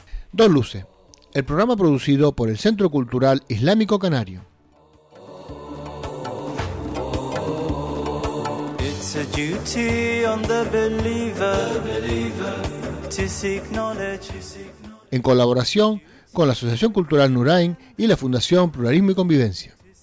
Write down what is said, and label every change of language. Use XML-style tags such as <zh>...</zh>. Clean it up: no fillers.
<es>Dos Luces, el programa producido por el Centro Cultural Islámico Canario.</es> <en>It's a duty on the believer, to seek knowledge, to seek knowledge.</en> <es>En colaboración con la Asociación Cultural Nuraín y la Fundación Pluralismo y Convivencia.</es>